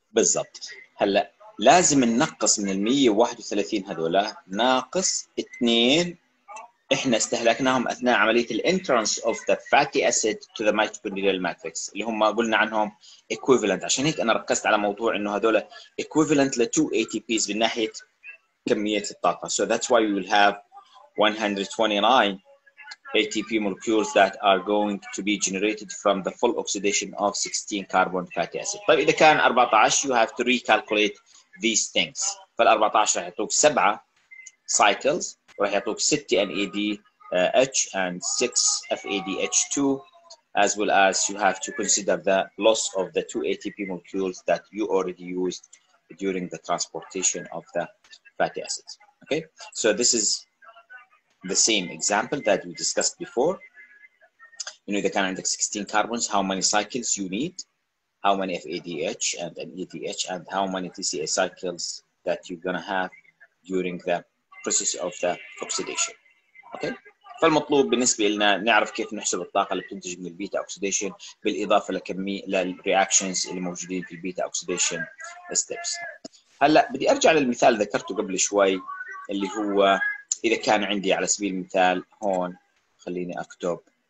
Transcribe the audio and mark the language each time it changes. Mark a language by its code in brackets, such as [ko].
[ar] بالضبط. هلا لازم ننقص من الـ 131 هذول ناقص 2 احنا استهلكناهم أثناء عملية الـ [en] entrance of the fatty acid to the mitochondrial matrix [ar] اللي هم قلنا عنهم equivalent. عشان هيك أنا ركزت على موضوع إنه هذول equivalent لـ 2 ATPs من ناحية كمية الطاقة. [en] So that's why we will have 129 ATP molecules that are going to be generated from the full oxidation of 16 carbon fatty acid. [ar] طيب إذا كان 14 [en] you have to recalculate these things. [ar] فال 14 راح يعطوك [en] 7 cycles [ar] وراح يعطوك [en] 6 NADH and 6 FADH2 as well as you have to consider the loss of the 2 ATP molecules that you already used during the transportation of the fatty acids. Okay, so this is the same example that we discussed before. You know, the kind of index 16 carbons, how many cycles you need, how many FADH and NADH, and how many TCA cycles that you're gonna have during the process of the oxidation. Okay, [ar] فالمطلوب بالنسبة لنا نعرف كيف نحسب الطاقة اللي بتنتج من البيتا أوكسيديشن بالإضافة لكمية للرياكشنز اللي موجودين في البيتا أوكسيديشن ستيبس. هلا بدي ارجع للمثال ذكرته قبل شوي اللي هو اذا كان عندي على سبيل المثال هون خليني اكتب